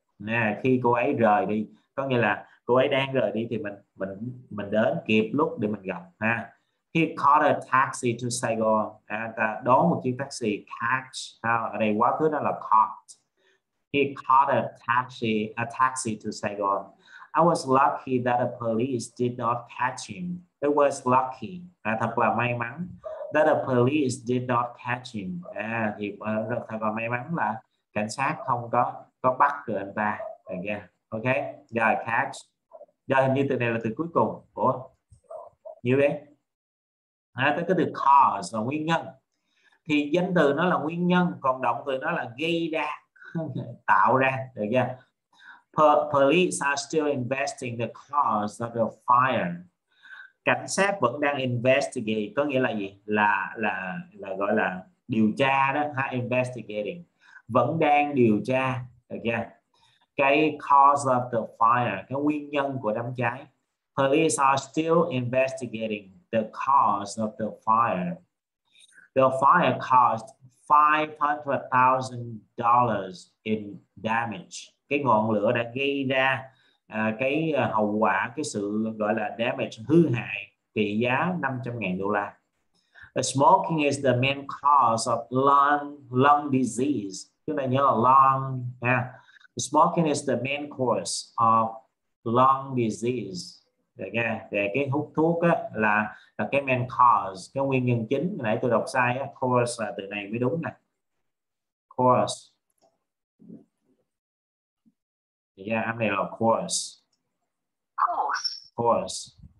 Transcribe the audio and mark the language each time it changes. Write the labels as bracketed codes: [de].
[vi] Nè, khi cô ấy rời đi, có nghĩa là cô ấy đang rời đi thì mình đến kịp lúc để mình gặp ha. [en] He caught a taxi to Saigon. [vi] À, ta đón một chiếc taxi, [en] catch. [vi] Ở đây quá khứ nó là caught. [en] He caught a taxi to Saigon. I was lucky that the police did not catch him. It was lucky. [vi] À, thật là may mắn [en] that the police did not catch him. [vi] À, thì thật là may mắn là cảnh sát không có bắt được anh ta. Ok, catch. Giờ hình như từ này là từ cuối cùng. Ủa, như vậy. À, tới cái từ cause là nguyên nhân. Thì danh từ nó là nguyên nhân, còn động từ nó là gây ra, tạo ra, được chưa? [en] Police are still investigating the cause of the fire. [vi] Cảnh sát vẫn đang investigate, có nghĩa là gì? Là gọi là điều tra đó, investigating. Vẫn đang điều tra, được chưa? Cái [en] cause of the fire, [vi] cái nguyên nhân của đám cháy. [en] Police are still investigating the cause of the fire. The fire caused $500,000 in damage. [vi] Cái ngọn lửa đã gây ra cái hậu quả, cái sự gọi là damage, hư hại trị giá 500.000 đô la. [en] Smoking is the main cause of lung disease. [vi] Chúng ta nhớ là lung ha. [en] Smoking is the main cause of lung disease. [vi] Được nha. Để cái hút thuốc á, là cái [en] main cause, [vi] cái nguyên nhân chính. Nãy tôi đọc sai á, cause là từ này mới đúng nè. [en] Cause. [vi] Âm này là cause. Cause.